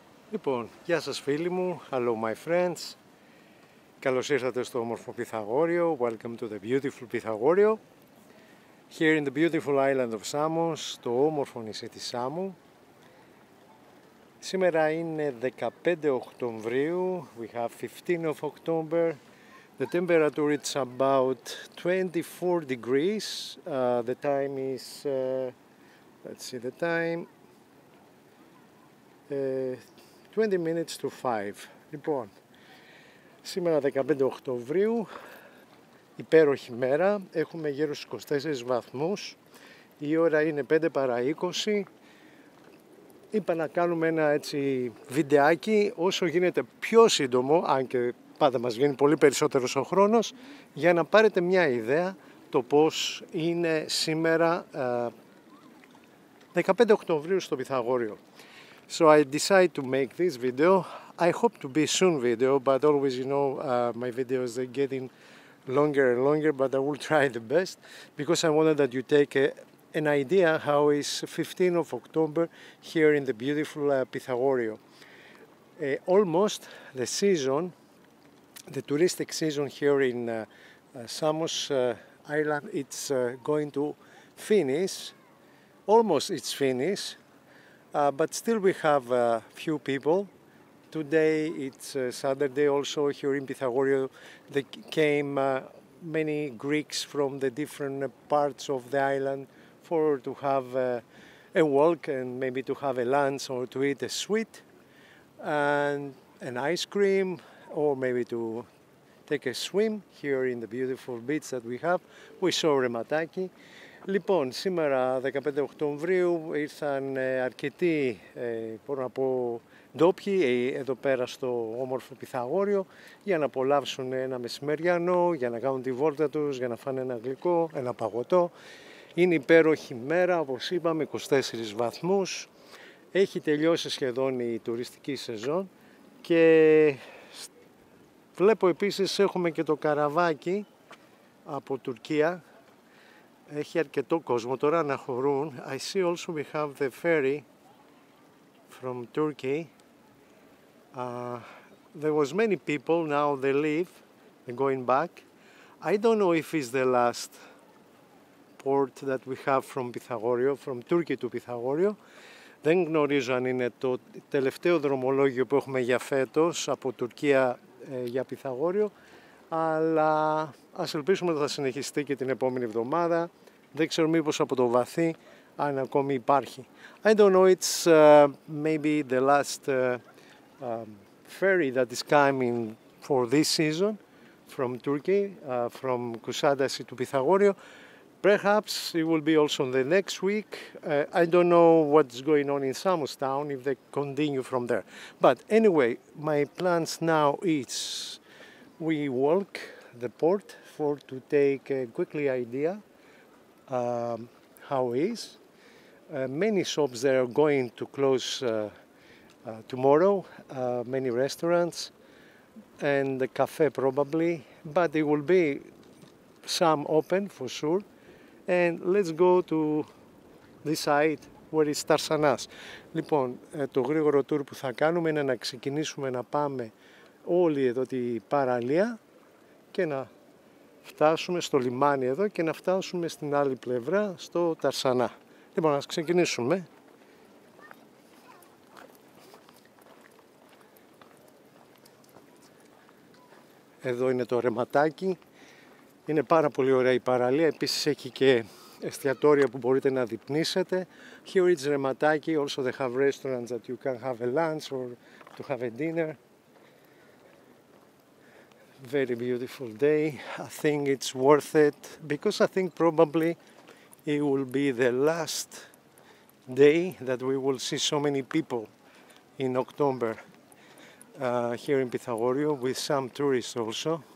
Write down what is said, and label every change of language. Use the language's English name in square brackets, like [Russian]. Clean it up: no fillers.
[Greek] Λοιπόν, γεια σας φίλοι μου, [English] hello my friends, [Greek] καλώς ήρθατε στο όμορφο Πυθαγόριο, [English] welcome to the beautiful [Greek] Πυθαγόριο, [English] here in the beautiful island of Samos, [Greek] το όμορφο νησί της Σάμου. Σήμερα είναι 15 Οκτωβρίου, [English] we have 15 of October, the temperature is about 24 degrees, the time is, let's see the time, 20 minutes to 5. [Greek] Λοιπόν, σήμερα 15 Οκτωβρίου, υπέροχη μέρα, έχουμε γύρω στους 24 βαθμούς, η ώρα είναι 5 παρά 20. Είπα να κάνουμε ένα έτσι βιντεάκι, όσο γίνεται πιο σύντομο, αν και πάντα μας βγαίνει πολύ περισσότερος ο χρόνος, για να πάρετε μια ιδέα το πώς είναι σήμερα 15 Οκτωβρίου στο Πυθαγόριο. [English] So I decided to make this video. I hope to be soon video, but always, you know, my videos are getting longer and longer, but I will try the best because I wanted that you take an idea how is 15 of October here in the beautiful Pythagoreo. Almost the season, the touristic season here in Samos Island, it's going to finish. Almost it's finished. But still we have a few people. Today it's Saturday also here in Pythagoreo. They came many Greeks from the different parts of the island for to have a walk and maybe to have a lunch or to eat a sweet and an ice cream or maybe to take a swim here in the beautiful beach that we have. We saw Rematake. [Greek] Λοιπόν, σήμερα 15 Οκτωβρίου ήρθαν αρκετοί, μπορώ να πω, ντόπιοι εδώ πέρα στο όμορφο Πυθαγόριο για να απολαύσουν ένα μεσημεριανό, για να κάνουν τη βόλτα τους, για να φάνε ένα γλυκό, ένα παγωτό. Είναι υπέροχη μέρα, όπως είπαμε, 24 βαθμούς. Έχει τελειώσει σχεδόν η τουριστική σεζόν και βλέπω επίσης έχουμε και το καραβάκι από Τουρκία. Έχει αρκετό κόσμο τώρα να χωρούν. [English] I see also we have the ferry from Turkey. There was many people, now they leave and going back. I don't know if it's the last port that we have from Pythagoreo, from Turkey to Pythagoreo. [Greek] Δεν γνωρίζω αν είναι το τελευταίο δρομολόγιο που έχουμε για φέτος από Τουρκία για Πυθαγόριο, αλλά ας ελπίσουμε ότι θα συνεχιστεί και την επόμενη εβδομάδα. Δεν ξέρω μήπως από το βαθύ αν ακόμη υπάρχει. [English] I don't know, it's maybe the last ferry that is coming for this season from Turkey, from Kusadasi to Pythagoreo. Perhaps it will be also the next week. I don't know what's going on in Samos town, if they continue from there. But anyway, my plans now is we walk the port for to take a quickly idea. How is many shops they are going to close tomorrow, many restaurants and the cafe probably, but it will be some open for sure. And let's go to this side where is Tarsanas. [Greek] Λοιπόν, το γρήγορο tour που θα κάνουμε είναι να ξεκινήσουμε να πάμε όλη εδώ την παραλία και να φτάσουμε στο λιμάνι εδώ και να φτάσουμε στην άλλη πλευρά, στο Ταρσανά. Λοιπόν, ας ξεκινήσουμε. Εδώ είναι το Ρεματάκι. Είναι πάρα πολύ ωραία η παραλία. Επίσης έχει και εστιατόρια που μπορείτε να διπνίσετε. [English] Here is Ρεματάκι, also they have restaurants that you can have a lunch or to have a dinner. Very beautiful day. I think it's worth it because I think probably it will be the last day that we will see so many people in October here in Pythagoreo with some tourists also.